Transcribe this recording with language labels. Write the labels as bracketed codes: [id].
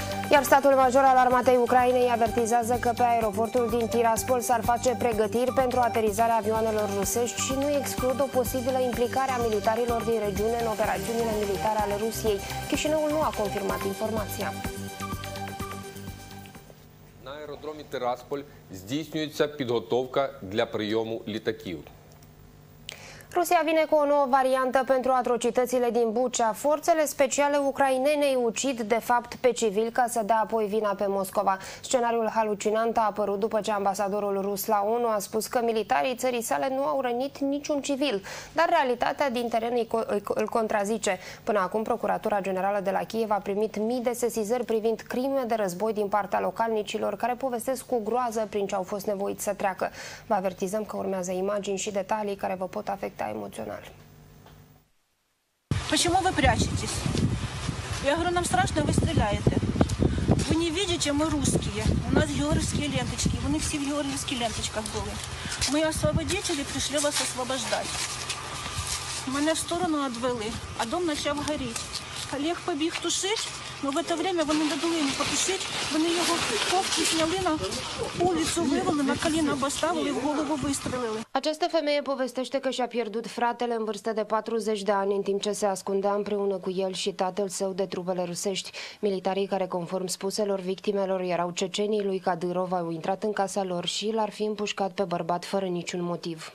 [ro] Iar statul major al armatei Ucrainei avertizează că pe aeroportul din Tiraspol s-ar face pregătiri pentru aterizarea avioanelor rusești și nu exclud o posibilă implicare a militarilor din regiune în operațiunile militare ale Rusiei. Chișinăul nu a confirmat informația. [uk] Аэродромі Тирасполь здійснюється підготовка для прийому літаків. [ro] Rusia vine cu o nouă variantă pentru atrocitățile din Bucea. Forțele speciale ucrainene îi ucid, de fapt, pe civili ca să dea apoi vina pe Moscova. Scenariul halucinant a apărut după ce ambasadorul rus la ONU a spus că militarii țării sale nu au rănit niciun civil. Dar realitatea din teren îl contrazice. Până acum, Procuratura Generală de la Kiev a primit mii de sesizări privind crime de război din partea localnicilor, care povestesc cu groază prin ce au fost nevoiți să treacă. Vă avertizăm că urmează imagini și detalii care vă pot afecta emoțional. [ru] Почему вы прячетесь? Я говорю, нам страшно, вы стреляете. Вы не видите, мы русские. У нас георгиевские ленточки. Вы не все в георгиевских ленточках были. Мы освободители пришли вас освобождать. Меня в сторону отвели, а дом начал гореть. Олег побег тушить, но в это время вы не дали ему потушить. Вы не его ковки сняли на улицу, вывели на колено, обоставили, в голову выстрелили. [ro] Această femeie povestește că și-a pierdut fratele în vârstă de 40 de ani, în timp ce se ascundea împreună cu el și tatăl său de trupele rusești. Militarii care, conform spuselor victimelor, erau cecenii lui Kadyrov, au intrat în casa lor și l-ar fi împușcat pe bărbat fără niciun motiv.